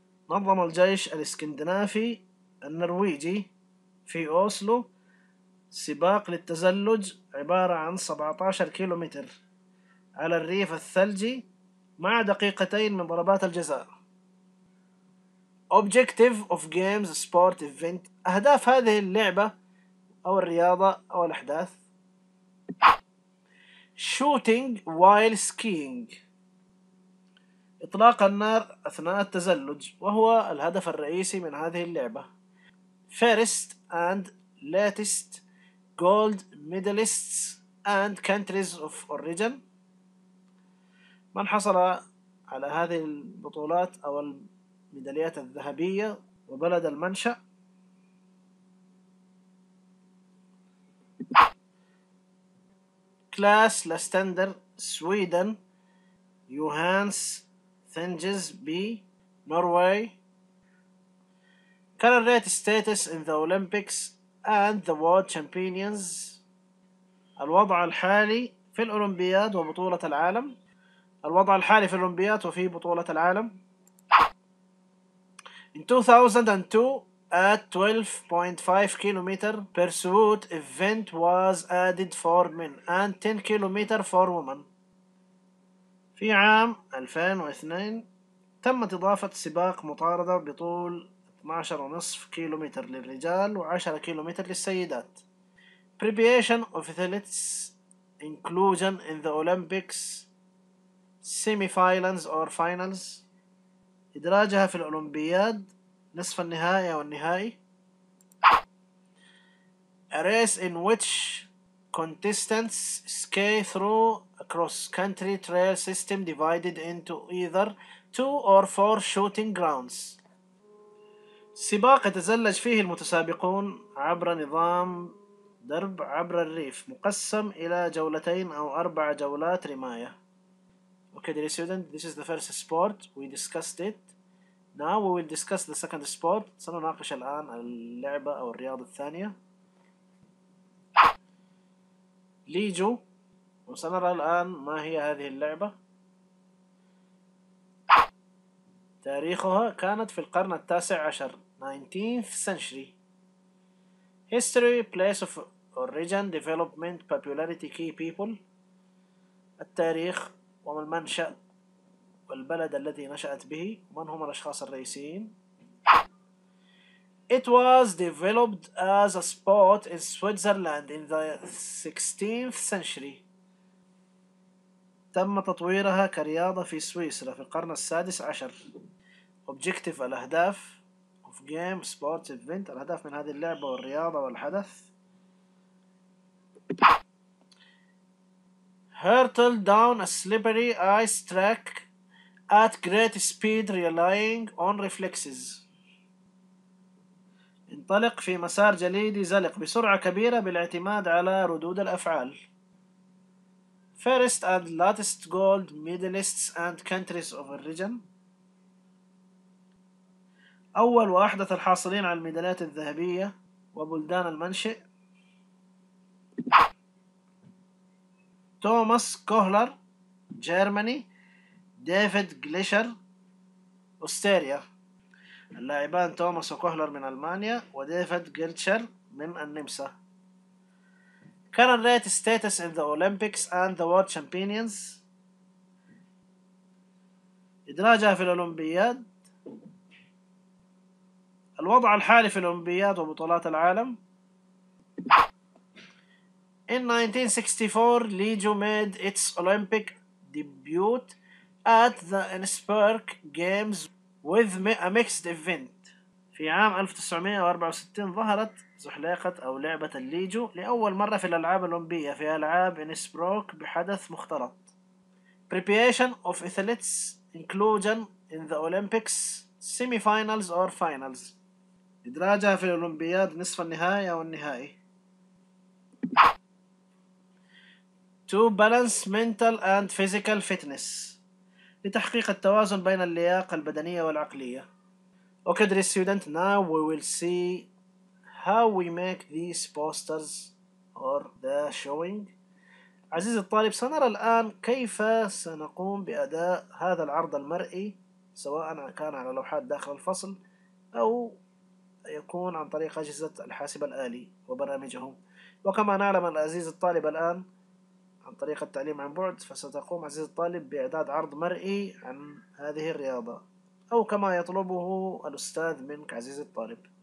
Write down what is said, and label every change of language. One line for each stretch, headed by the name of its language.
Arabic: نظم الجيش الاسكندنافي النرويجي في أوسلو سباق للتزلج عبارة عن 17 كيلومتر على الريف الثلجي مع دقيقتين من ضربات الجزاء.
English: Objective of games sport event.
Arabic: أهداف هذه اللعبة أو الرياضة أو الأحداث.
English: Shooting while skiing.
Arabic: إطلاق النار أثناء التزلج وهو الهدف الرئيسي من هذه اللعبة.
English: First and latest gold medalists and countries of origin.
Arabic: من حصل على هذه البطولات أو الميداليات الذهبية وبلد المنشأ. كلاس لاستندر سويدن يوهانس Thinges B, Norway.
English: Current status in the Olympics and the world champions.
Arabic: الوضع الحالي في الأولمبياد وبطولة العالم. الوضع الحالي في الأولمبياد وفي بطولة العالم.
English: In 2002, at 12.5 kilometer pursuit event was added for men and 10 kilometer for women.
Arabic: في عام 2002 تمت إضافة سباق مطاردة بطول 12.5 كيلومتر للرجال و10 كيلومتر للسيدات.
English: Preparation of athletes inclusion in the Olympics semi-finals or finals.
Arabic: إدراجها في الأولمبياد نصف النهائي أو النهائي.
English: A race in which contestants skate through a cross-country trail system divided into either two or four shooting grounds.
Arabic: سباق يتزلج فيه المتسابقون عبر نظام درب عبر الريف مقسم إلى جولتين أو أربع جولات رماية.
English: Okay, dear student, this is the first sport. We discussed it. Now we will discuss the second sport.
Arabic: سنناقش الآن اللعبة أو الرياضة الثانية. ليجو. وسنرى الآن ما هي هذه اللعبة. تاريخها كانت في القرن التاسع عشر.
English: 19th century. History, place of origin, development, popularity, key people.
Arabic: التاريخ وما المنشأ والبلد الذي نشأت به ومن هم الأشخاص الرئيسيين.
English: It was developed as a sport in Switzerland in the 16th century.
Arabic: تم تطويرها كرياضة في سويسرا في القرن السادس عشر.
English: Objective,
Arabic: الأهداف.
English: Of game, sports event,
Arabic: الهدف من هذه اللعبة والرياضة والحدث.
English: Hurtle down a slippery ice track at great speed relying on reflexes.
Arabic: انطلق في مسار جليدي زلق بسرعة كبيرة بالاعتماد على ردود الأفعال.
English: First and latest gold medalists and countries of origin.
Arabic: أول وأحدث الحاصلين على الميداليات الذهبية وبلدان المنشئ. توماس كوهلر جيرماني. ديفيد جليشر أستيريا. اللاعبان توماس كوهلر من ألمانيا وديفيد جليشر من النمسا.
English: Current rate status in the Olympics and the World Champions.
Arabic: إدراجها في الأولمبياد. الوضع الحالي في الأولمبياد وبطولات العالم.
English: In 1964, Liju made its Olympic debut at the Innsbruck Games with a mixed event.
Arabic: في عام 1964 ظهرت زحليقة أو لعبة الليجو لأول مرة في الألعاب الأولمبية في ألعاب إنسبروك بحدث مختلط.
English: Preparation of athletes inclusion in the Olympics semi-finals or finals.
Arabic: إدراجها في الأولمبياد نصف النهائي أو النهائي.
English: To balance mental and physical fitness.
Arabic: لتحقيق التوازن بين اللياقة البدنية والعقلية.
English: Okay, dear student, now we will see how we make these posters or the showing.
Arabic: عزيزي الطالب سنرى الآن كيف سنقوم بأداء هذا العرض المرئي سواء كان على لوحات داخل الفصل أو يكون عن طريق أجهزة الحاسب الآلي وبرامجه. وكما نعلم العزيز الطالب الآن عن طريق التعليم عن بعد فستقوم عزيز الطالب بإعداد عرض مرئي عن هذه الرياضة أو كما يطلبه الأستاذ منك عزيز الطالب.